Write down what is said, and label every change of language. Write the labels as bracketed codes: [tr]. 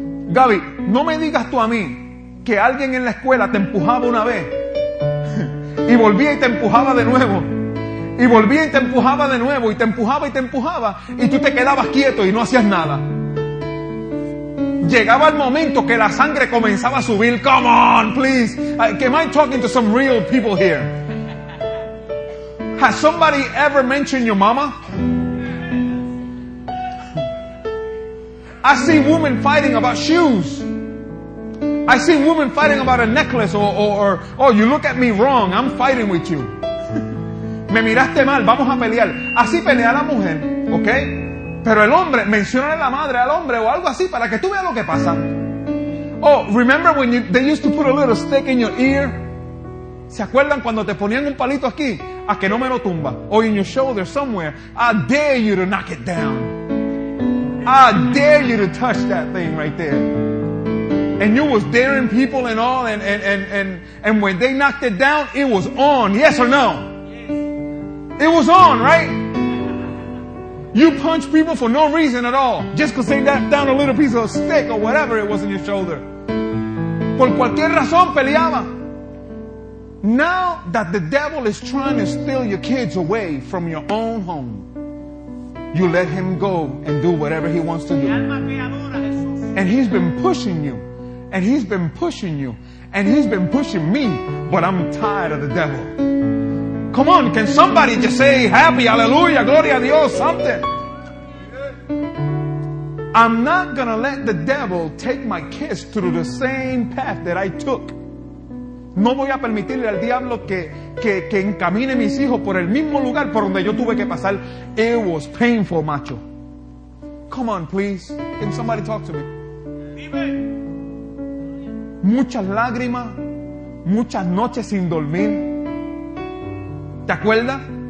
[es] Gaby, no me digas tú a mí que alguien en la escuela te empujaba una vez y volvía y te empujaba de nuevo. Y volvía y te empujaba de nuevo y te empujaba y te empujaba y tú te quedabas quieto y no hacías nada. Llegaba el momento que la sangre comenzaba a subir. [en] Come on, please. Am I talking to some real people here? Has somebody ever mentioned your mama? I see women fighting about shoes. I see women fighting about a necklace or oh, you look at me wrong. I'm fighting with you. [es] Me miraste mal, vamos a pelear. Así pelea la mujer, ¿ok? Pero el hombre, menciónale la madre al hombre o algo así para que tú veas lo que pasa. [en] Oh, remember when they used to put a little stick in your ear? [es] ¿Se acuerdan cuando te ponían un palito aquí? A que no me lo tumba. [en] Or in your shoulder somewhere. I dare you to knock it down. I dare you to touch that thing right there. And you was daring people and all, and when they knocked it down, it was on. Yes or no? It was on, right? You punch people for no reason at all. Just because they knocked down a little piece of a stick or whatever it was in your shoulder. [es] Por cualquier razón peleaba. [en] Now that the devil is trying to steal your kids away from your own home, you let him go and do whatever he wants to do. And he's been pushing you. And he's been pushing you. And he's been pushing me. But I'm tired of the devil. Come on, can somebody just say happy, hallelujah, [es] gloria a Dios, [en] something? I'm not gonna let the devil take my kids through the same path that I took. [es] No voy a permitirle al diablo que encamine mis hijos por el mismo lugar por donde yo tuve que pasar. [en] It was painful, macho. Come on, please. Can somebody talk to me? [es] Muchas lágrimas, muchas noches sin dormir. ¿Te acuerdas?